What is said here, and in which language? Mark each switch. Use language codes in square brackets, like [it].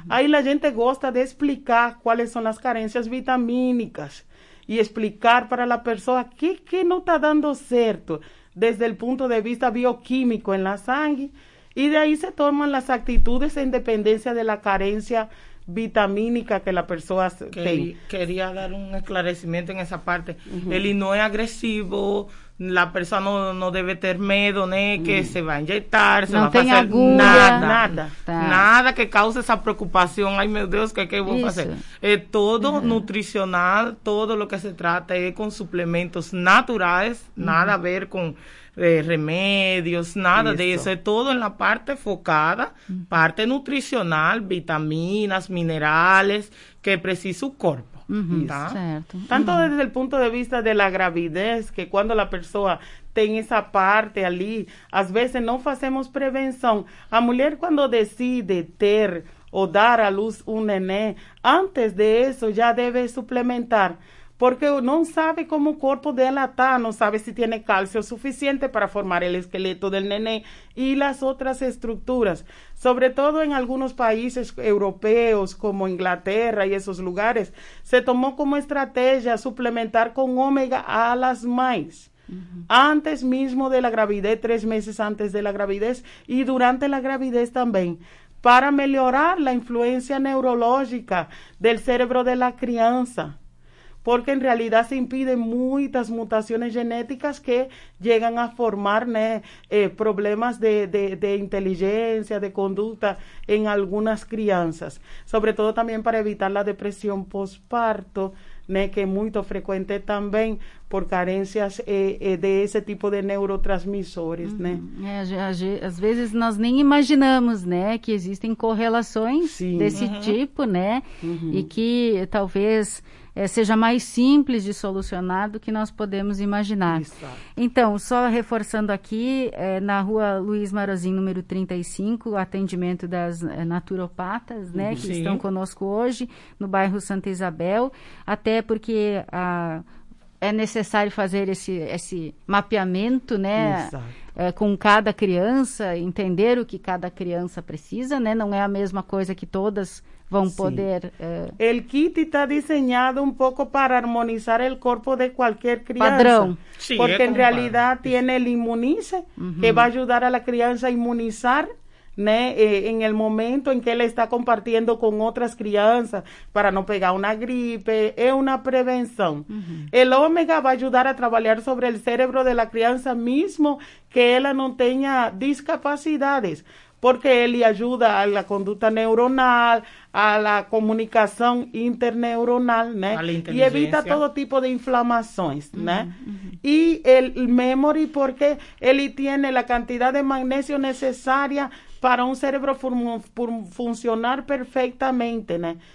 [pt] Aí a gente gosta de explicar quais são as carências vitamínicas e explicar para a pessoa que não está dando certo desde o ponto de vista bioquímico na sangue. E daí se tomam as atitudes em dependência da carência vitamínica [es] que la persona tiene. Quería dar un esclarecimiento en esa parte. Uh-huh. Él no es agresivo, la persona no debe tener miedo, ¿no? Uh-huh. Que se va a inyectar, se no va a hacer [pt] agulha. Nada. Tá. [es] Nada que cause esa preocupación. Ay, [pt] meu Deus, [es] ¿qué voy a hacer? Todo uh-huh. nutricional, todo lo que se trata es con suplementos naturales, uh-huh. [pt] nada a ver con remédios, nada [es] Listo. De eso, es todo en la parte focada, uh-huh. parte nutricional, vitaminas, minerales, que precisa su cuerpo, uh-huh. [pt] ¿tá? Certo. [es] Tanto uh-huh. desde el punto de vista de la gravidez, que cuando la persona tiene esa parte allí, a veces no hacemos prevención. La mujer cuando decide tener o dar a luz un nené, antes de eso ya debe suplementar, [pt] porque não sabe como o corpo dela está, não sabe se tem cálcio suficiente para formar o esqueleto do neném e as outras estruturas. Sobretudo em alguns países europeus, como Inglaterra e esses lugares, se tomou como estratégia suplementar com ômega a las mães. Uhum. Antes mesmo da gravidez, 3 meses antes da gravidez e durante a gravidez também. Para melhorar a influência neurológica do cérebro da criança. [es] Porque en realidad se impiden muchas mutaciones genéticas que llegan a formar problemas de inteligencia, de conducta en algunas crianzas. Sobre todo también para evitar la depresión postparto, que es muy frecuente también por carencias de ese tipo de neurotransmisores. [pt] Às vezes nós nem imaginamos que existem correlações Sim. desse uhum. tipo, uhum. e que talvez seja mais simples de solucionar do que nós podemos imaginar. Exato. Então, só reforçando aqui, na rua Luiz Marozinho, número 35, o atendimento das naturopatas, que Sim. estão conosco hoje, no bairro Santa Isabel, até porque é necessário fazer esse mapeamento, com cada criança, entender o que cada criança precisa, não é a mesma coisa que todas vão poder... [es] El kit está diseñado un poco para harmonizar el cuerpo de cualquier criança. [pt] Padrão. [es] Sí, porque en realidad tiene el inmunice, uh-huh. que va a ayudar a la crianza a inmunizar, en el momento en que él está compartiendo con otras crianzas para no pegar una gripe, es una prevención. Uh-huh. El ómega va a ayudar a trabajar sobre el cerebro de la crianza mismo que ella no tenga discapacidades. [pt] Porque ele ajuda a la conduta neuronal, a la comunicação interneuronal, E evita todo tipo de inflamações, uhum, né? Uhum. E o memory, porque ele tem a quantidade de magnésio necessária para um cérebro funcionar perfeitamente, né?